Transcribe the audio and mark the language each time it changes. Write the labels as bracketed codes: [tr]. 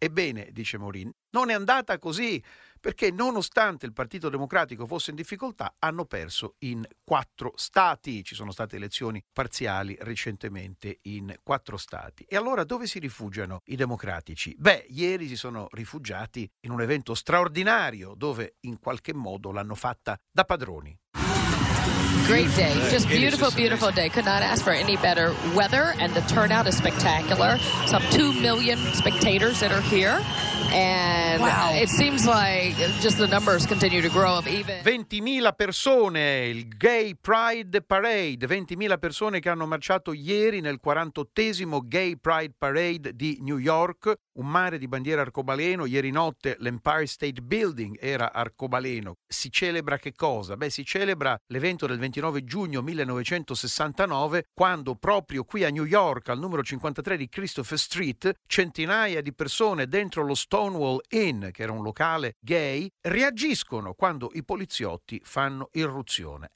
[it] Ebbene, dice Maureen, non è andata così. Perché nonostante il Partito Democratico fosse in difficoltà, hanno perso in 4 stati. Ci sono state elezioni parziali recentemente in 4 stati. E allora dove si rifugiano i democratici? Beh, ieri si sono rifugiati in un evento straordinario dove in qualche modo l'hanno fatta da padroni. [en] Great day, just beautiful, beautiful day. Could not ask for any better weather and the turnout is spectacular. Some 2 million spectators that are here. And wow. It seems like just the numbers continue to grow up even. [it] 20.000 persone, il Gay Pride Parade, 20.000 persone che hanno marciato ieri nel 48esimo Gay Pride Parade di New York. Un mare di bandiere arcobaleno. Ieri notte l'Empire State Building era arcobaleno. Si celebra che cosa? Beh, si celebra l'evento del 29 giugno 1969, quando proprio qui a New York, al numero 53 di Christopher Street, centinaia di persone dentro lo Stonewall Inn, che era un locale gay, reagiscono quando i poliziotti fanno irruzione.